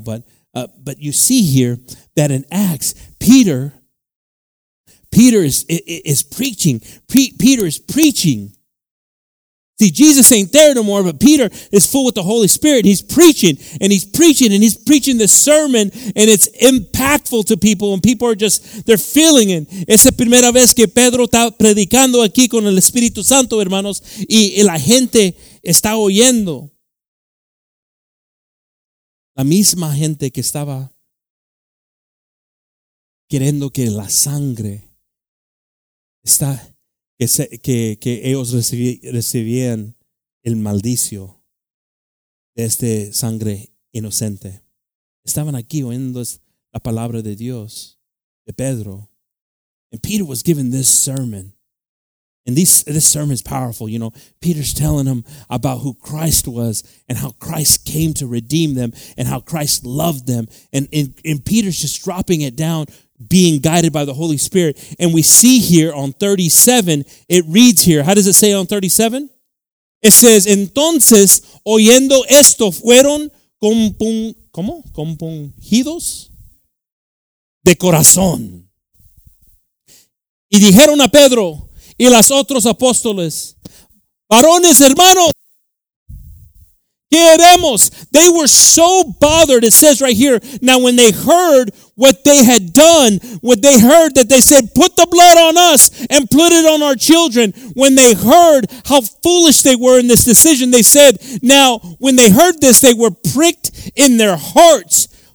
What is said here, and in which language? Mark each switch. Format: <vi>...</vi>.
<en>But you see here that in Acts, Peter is preaching. Peter is preaching See, Jesus ain't there no more, but Peter is full with the Holy Spirit. He's preaching, and he's preaching, and he's preaching this sermon, and it's impactful to people, and people are just, they're feeling it.</en> <es>Esa primera vez que Pedro está predicando aquí con el Espíritu Santo, hermanos, y la gente está oyendo. La misma gente que estaba queriendo que la sangre está... Que ellos recibían el maldicio de esta sangre inocente. Estaban aquí oyendo la palabra de Dios, de Pedro.</es> <en>And Peter was given this sermon. And this sermon is powerful, you know. Peter's telling them about who Christ was and how Christ came to redeem them and how Christ loved them. And Peter's just dropping it down, being guided by the Holy Spirit. And we see here on 37, it reads here. How does it say on 37? It says,</en> <es>entonces, oyendo esto, fueron compungidos de corazón. Y dijeron a Pedro y los otros apóstoles, varones, hermanos, ¿qué haremos?</es> <en>They were so bothered. It says right here, now when they heard what they had done, what they heard, that they said, put the blood on us and put it on our children. When they heard how foolish they were in this decision, they said, now when they heard this, they were pricked in their hearts.</en>